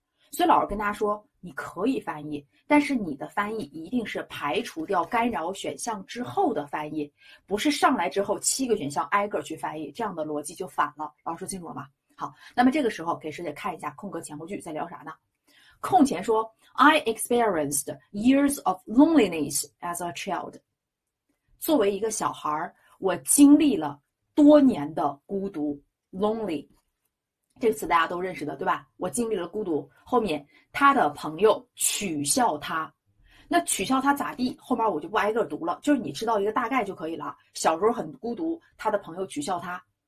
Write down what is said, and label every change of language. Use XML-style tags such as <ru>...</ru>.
<zh>所以老师跟大家说，你可以翻译，但是你的翻译一定是排除掉干扰选项之后的翻译，不是上来之后七个选项挨个去翻译，这样的逻辑就反了。老师说清楚了吗？好，那么这个时候给师姐看一下空格前后句在聊啥呢？空前说，</zh> <en>I experienced years of loneliness as a child。</en> <zh>作为一个小孩儿，我经历了多年的孤独，lonely 这个词大家都认识的，对吧？我经历了孤独，后面他的朋友取笑他，那取笑他咋地？后面我就不挨个读了，就是你知道一个大概就可以了。小时候很孤独，他的朋友取笑他。</zh>